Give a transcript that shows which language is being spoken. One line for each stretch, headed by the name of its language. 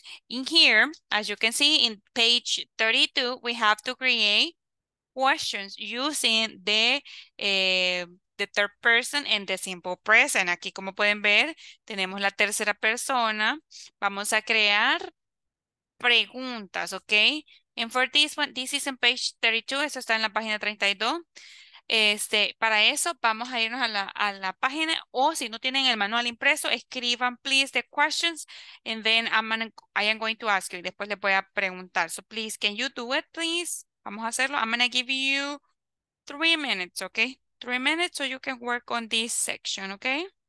English: In here, as you can see in page 32, we have to create questions using the third person and the simple present.
Spanish: Aquí, como pueden ver, tenemos la tercera persona. Vamos a crear preguntas, okay?
English: And for this one, this is in page 32.
Spanish: Eso está en la página 32. Para eso, vamos a irnos a la página. O si no tienen el manual impreso, escriban, please, the questions.
English: And then I am going to ask you.
Spanish: Después les voy a preguntar.
English: So please, can you do it, please?
Spanish: Vamos a hacerlo.
English: I'm going to give you 3 minutes, okay? 3 minutes so you can work on this section, okay?